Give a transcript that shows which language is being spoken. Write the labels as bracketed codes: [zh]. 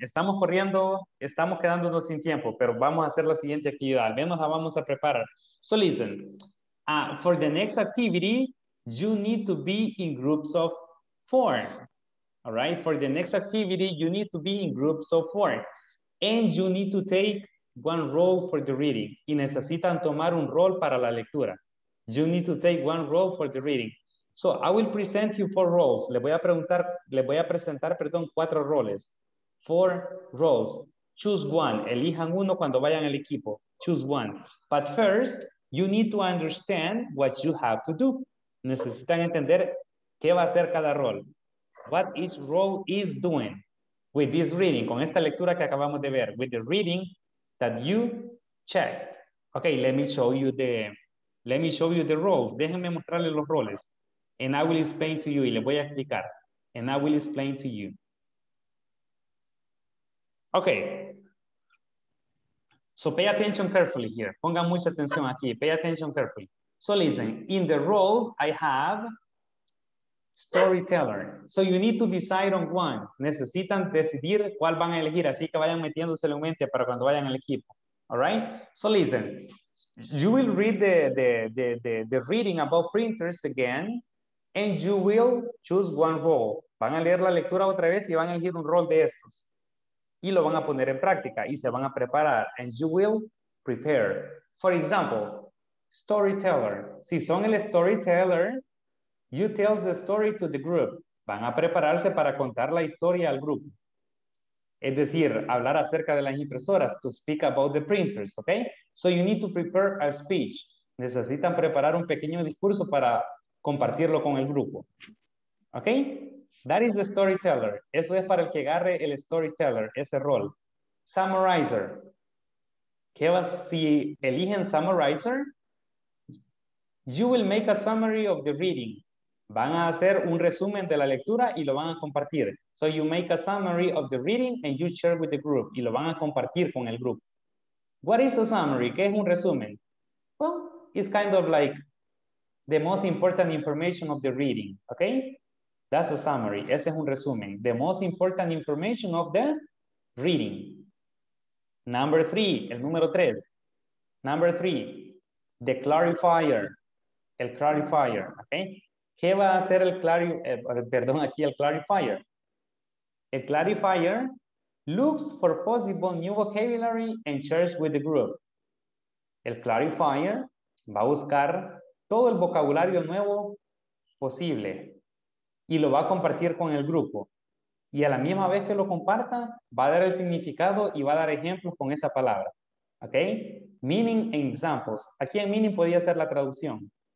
[es] Estamos corriendo, estamos quedándonos sin tiempo, pero vamos a hacer la siguiente actividad. Al menos la vamos a preparar. [en] So listen, for the next activity, you need to be in groups of four. All right. For the next activity, you need to be in groups of four. And you need to take one role for the reading. [es] Y necesitan tomar un rol para la lectura. [en] You need to take one role for the reading. So I will present you four roles. [es] Le voy a presentar, cuatro roles. [en] Four roles. choose one. [es] Elijan uno cuando vayan al equipo. [en] Choose one. But first, you need to understand what you have to do. [es] Necesitan entender qué va a hacer cada rol. [en] What each role is doing with this reading, [es] con esta lectura que acabamos de ver, [en] with the reading that you checked. Okay, let me show you the roles. [es] Déjenme mostrarles los roles. [en] And I will explain to you, [es] y les voy a explicar. [en] And I will explain to you. Okay. So pay attention carefully here. [es] Pongan mucha atención aquí. [en] Pay attention carefully. So listen, in the roles I have storyteller. So you need to decide on one. [es] Necesitan decidir cuál van a elegir. Así que vayan metiéndose en mente para cuando vayan al equipo. [en] All right. So listen, you will read the reading about printers again, and you will choose one role. [es] Van a leer la lectura otra vez y van a elegir un rol de estos. Y lo van a poner en práctica y se van a preparar. [en] And you will prepare. For example, storyteller. [es] Si son el storyteller, [en] you tell the story to the group. [es] Van a prepararse para contar la historia al grupo. Es decir, hablar acerca de las impresoras, [en] to speak about the printers, [es] okay? [en] So you need to prepare a speech. [es] Necesitan preparar un pequeño discurso para compartirlo con el grupo. Okay? [en] That is the storyteller. [es] Eso es para el que agarre el storyteller, ese rol. Summarizer. ¿Qué va si eligen summarizer? [en] You will make a summary of the reading. [es] Van a hacer un resumen de la lectura y lo van a compartir. [en] So you make a summary of the reading and you share with the group. [es] Y lo van a compartir con el grupo. [en] What is a summary? [es] ¿Qué es un resumen? [en] Well, it's kind of like the most important information of the reading. Okay? That's a summary. [es] Ese es un resumen. [en] The most important information of the reading. Number three. [es] El número tres. [en] Number three. The clarifier. El clarifier. Okay? [es] ¿Qué va a hacer el clarifier? [en] El clarifier looks for possible new vocabulary and shares with the group. [es] El clarifier va a buscar todo el vocabulario nuevo posible y lo va a compartir con el grupo. Y a la misma vez que lo comparta, va a dar el significado y va a dar ejemplos con esa palabra. ¿Ok? [en] Meaning and examples. [es] Aquí en meaning podría ser la traducción.